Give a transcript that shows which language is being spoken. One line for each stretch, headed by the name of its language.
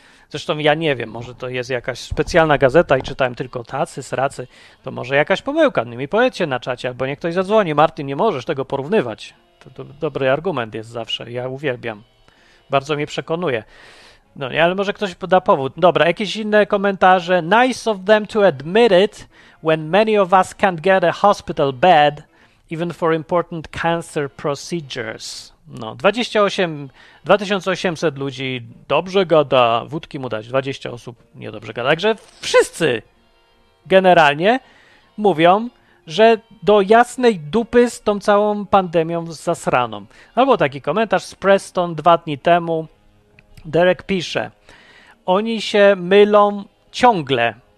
Polish: Zresztą ja nie wiem, może to jest jakaś specjalna gazeta i czytałem tylko tacy, sracy, to może jakaś pomyłka. No mi powiedzcie na czacie, albo niech ktoś zadzwoni. Martin, nie możesz tego porównywać. To dobry argument jest zawsze, ja uwielbiam. Bardzo mnie przekonuje. No nie, ale może ktoś poda powód. Dobra, jakieś inne komentarze.
English: Nice of them to admit it when many of us can't get a hospital bed even for important cancer procedures.
Polish: No, 2800 ludzi dobrze gada, wódki mu dać, 20 osób niedobrze gada. Także wszyscy generalnie mówią, że do jasnej dupy z tą całą pandemią zasraną. Albo taki komentarz z Preston dwa dni temu. Derek pisze, oni się mylą ciągle.